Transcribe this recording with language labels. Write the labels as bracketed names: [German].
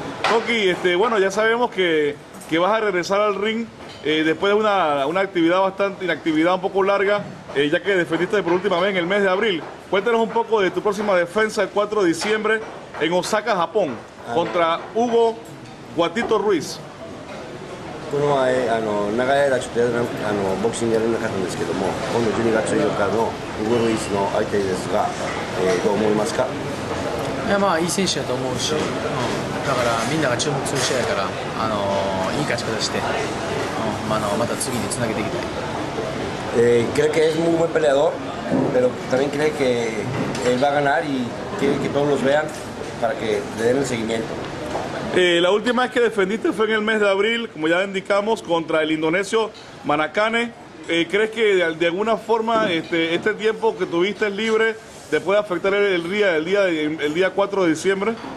[Spanish] Koki, bueno, ya sabemos que vas a regresar al ring después de una actividad bastante inactividad, un poco larga, ya que defendiste por última vez en el mes de abril. Cuéntanos un poco de tu próxima defensa el 4 de diciembre en Osaka, Japón, contra Hugo Guatito Ruiz. [Japanese] この前あの長い間ちょっとやあのボクシングやれなかったんですけども、今度12月4日のウグルイスの相手ですが、どう思いますか？いやまあいい選手だと思うし、だからみんなが注目する試合だから、いい勝ち方して、また次につなげていきたい。 [Spanish] Creo que es muy buen peleador, pero también cree que él va a ganar y quiere que todos los vean para que le den el seguimiento. La última vez que defendiste fue en el mes de abril, como ya indicamos, contra el indonesio Manakane. ¿Crees que de alguna forma este tiempo que tuviste libre te puede afectar el día 4 de diciembre?